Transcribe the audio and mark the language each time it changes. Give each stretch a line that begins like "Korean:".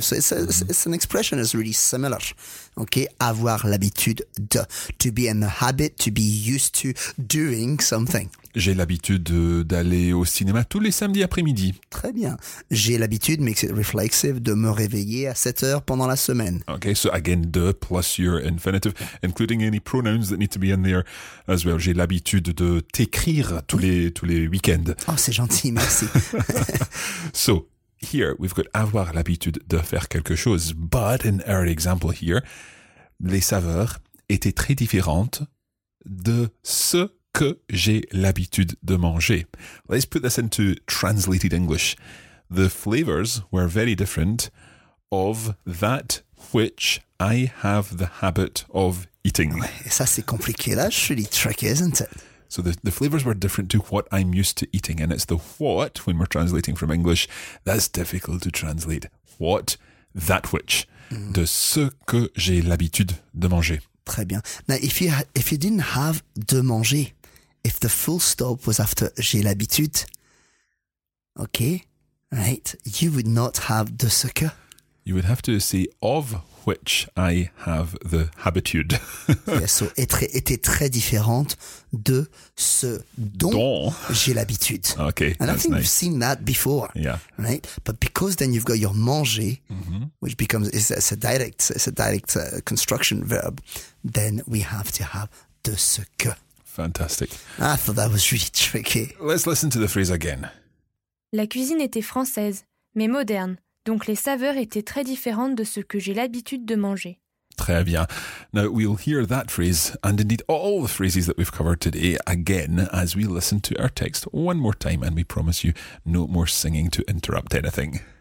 English: So it's an expression that's really similar. Okay, avoir l'habitude de. To be in the habit, to be used to doing something.
French: J'ai l'habitude d'aller au cinéma tous les samedis après-midi. Très bien. J'ai l'habitude,
English: makes it reflexive,
French: de me réveiller à 7 heures pendant la semaine.
English: Okay, so again, de plus your infinitive, including any pronouns that need to be in there as well.
French: J'ai l'habitude de t'écrire tous les week-ends. Oh, c'est gentil, merci.
English: So, here we've got
French: avoir l'habitude de faire quelque chose.
English: But in our example here,
French: les saveurs étaient très différentes de ce que j'ai l'habitude de manger.
English: Let's put this into translated English. The flavors were very different of that which I have the habit of eating.
French: Ouais, ça c'est compliqué,
English: that's really tricky, isn't it? So the flavors were different to what I'm used to eating, and it's the what, when we're translating from English, that's difficult to translate. What, that which,
French: de ce que j'ai l'habitude de manger. Très bien.
English: Now, if you didn't have
French: de manger,
English: if the full stop was after
French: j'ai l'habitude,
English: okay, right, you would not have
French: de ce que.
English: You would have to say of which I have the habitude. Yeah, so
French: était très différente de ce dont j'ai l'habitude.
English: Okay, and that's I think nice. You've seen that before. Yeah. Right? But because then you've got your manger, which becomes it's a direct construction verb, then we have to have
French: de ce que.
English: Fantastic. I thought that was really tricky. Let's listen to the phrase again.
French: La cuisine était française, mais moderne. Donc les saveurs étaient très différentes de ce que j'ai l'habitude de manger. Très bien.
English: Now we'll hear that phrase, and indeed all the phrases that we've covered today, again, as we listen to our text one more time, and we promise you no more singing to interrupt anything.